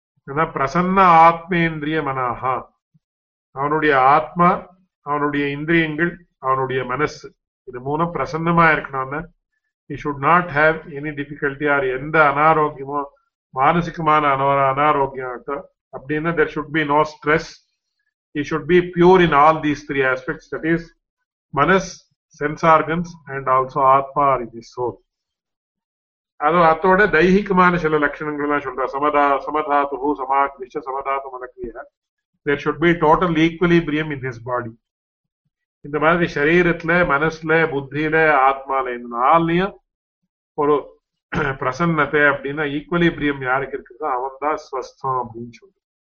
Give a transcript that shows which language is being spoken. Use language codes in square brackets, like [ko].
[ta] ஏன்னா பிரசன்ன ஆத்மேந்திரியமனாக, அவனுடைய ஆத்மா அவனுடைய இந்திரியங்கள் அவனுடைய மனசு இது மூலம் பிரசன்னமா இருக்கணும்னு. [en] He should not have any difficulty or [ta] எந்த அனாரோக்கியமோ மானசிகமான அனாரோக்கியம் அப்படின்னா [en] there should be no stress. He should be pure in all these three aspects, that is manas, sense organs and also atma or his soul. [ta] அதோ அத்தோட தைகிகமான சில லட்சணங்கள்லாம் சொல்ற சமதாத்து சமாக்னிஷ்ட சமதாத்து மனக்ரியா. [en] There should be total equilibrium in his body. [ta] இந்த மாதிரி சரீரத்துல மனசுல புத்தியில ஆத்மால இந்த நாள்லயும் ஒரு பிரசன்னத்தை அப்படின்னா ஈக்குவலிபிரியம் யாருக்கு இருக்குதோ அவன் தான் ஸ்வஸ்தம் அப்படின்னு சொல்றான்.